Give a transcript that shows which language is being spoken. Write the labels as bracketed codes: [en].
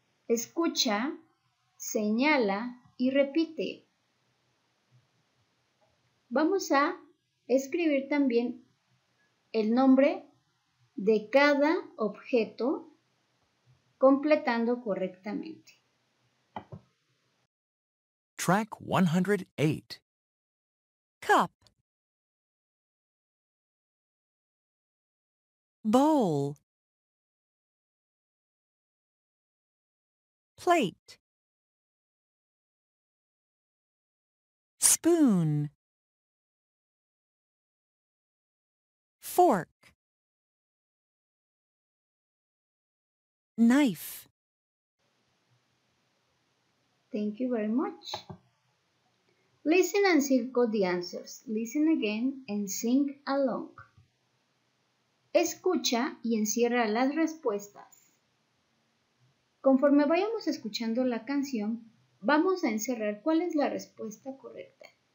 [es] Escucha, señala y repite. Vamos a escribir también el nombre de cada objeto completando correctamente. [en] Track 108. Cup, bowl, plate, spoon, fork, knife. Thank you very much. Listen and circle the answers. Listen again and sing along. [es] Escucha y encierra las respuestas. Conforme vayamos escuchando la canción, vamos a encerrar cuál es la respuesta correcta.